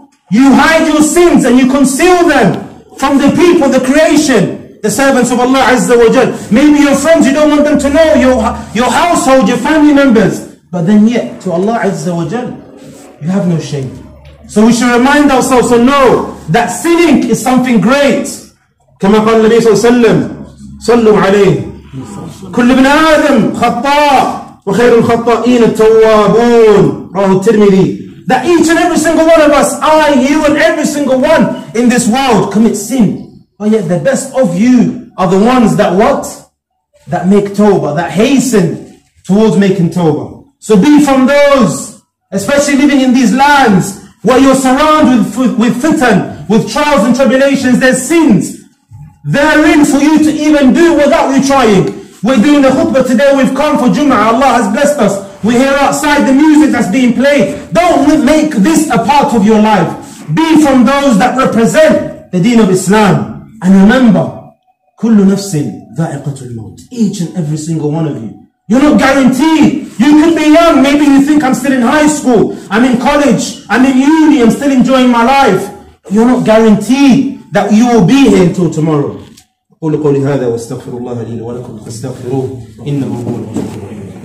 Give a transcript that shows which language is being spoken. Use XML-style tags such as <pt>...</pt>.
<en>You hide your sins and you conceal them from the people, the creation, the servants of Allah Azza wa Jal. Maybe your friends, you don't want them to know, your household, your family members. But then yet, to Allah Azza wa Jal, you have no shame. So we should remind ourselves to know that sinning is something great.</en> <ar>كما قال النبي صلى الله عليه وسلم صلوا عليه كل ابن آدم خطاء وخير الخطائين التوابون رواه الترمذي.</ar> <en>That each and every single one of us, I, you and every single one in this world commit sin. But yet the best of you are the ones that what? That make tawbah, that hasten towards making tawbah. So be from those, especially living in these lands where you're surrounded with fitan, with trials and tribulations. There's sins therein for you to even do without you trying. We're doing the khutbah today, we've come for Jum'ah, Allah has blessed us. We hear outside the music that's being played. Don't make this a part of your life. Be from those that represent the deen of Islam. And remember,</en> <ar>kullu nafsin dha'iqatu al-maut.</ar> <en>Each and every single one of you. You're not guaranteed. You could be young. Maybe you think I'm still in high school. I'm in college. I'm in uni. I'm still enjoying my life. You're not guaranteed that you will be here until tomorrow.</en> <ar>قولوا قولي هذا واستغفر الله لي ولكم فاستغفروه إنه هو الغفور الرحيم.</ar>